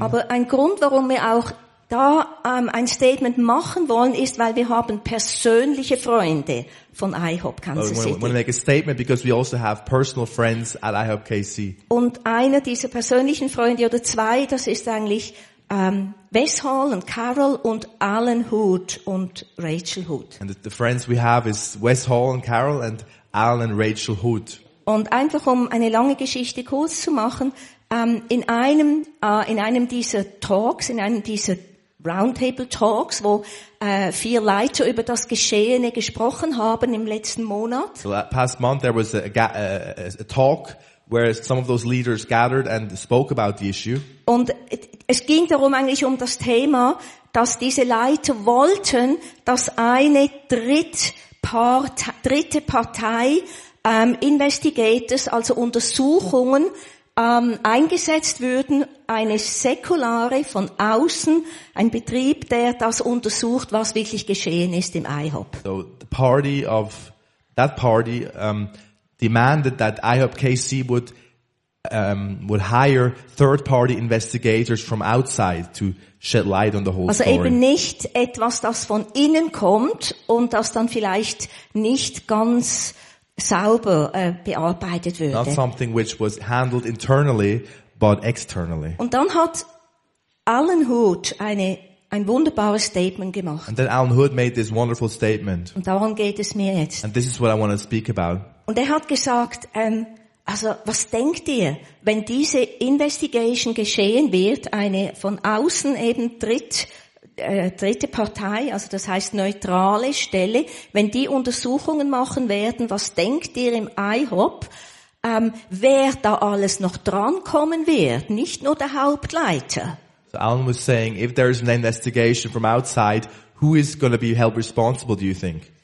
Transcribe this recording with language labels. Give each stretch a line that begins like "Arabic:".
German: Aber ein Grund, warum wir auch da ein Statement machen wollen, ist, weil wir haben persönliche Freunde von IHOP Kansas City.
English: We want to make a statement because we also have personal friends at IHOP KC.
German: Und einer dieser persönlichen Freunde oder zwei, das ist eigentlich Wes Hall und Carol und Alan Hood und Rachel Hood.
English: And the friends we have is Wes Hall and Carol and Alan and Rachel Hood.
German: Und einfach um eine lange Geschichte kurz zu machen, in einem dieser Talks, in einem dieser Roundtable Talks, wo vier Leiter über das Geschehene gesprochen haben im letzten Monat.
English: So that past month there was a talk where some of those leaders gathered and spoke about the issue.
German: Und es ging darum eigentlich um das Thema, dass diese Leiter wollten, dass eine dritte Partei Investigators, also Untersuchungen eingesetzt würden, eine säkulare von außen, ein Betrieb, der das untersucht, was wirklich geschehen ist im IHOP.
English: So the party of that party demanded that IHOP KC would hire third party investigators from outside to shed light on the whole story.
German: Also eben nicht etwas, das von innen kommt und das dann vielleicht nicht ganz sauber bearbeitet würde.
English: Not something which was handled internally but externally.
German: Und dann hat Alan Hood ein wunderbares Statement gemacht.
English: And then Alan Hood made this wonderful statement.
German: Und darum geht es mir jetzt.
English: And this is what I want to speak about.
German: Und er hat gesagt, also was denkt ihr, wenn diese Investigation geschehen wird, eine von außen eben dritte Partei, also das heißt neutrale Stelle, wenn die Untersuchungen machen werden, was denkt ihr im IHOP, wer da alles noch drankommen wird, nicht nur der Hauptleiter?
English: So Alan was saying, if there is an investigation from outside, who is going to be held responsible, do you think?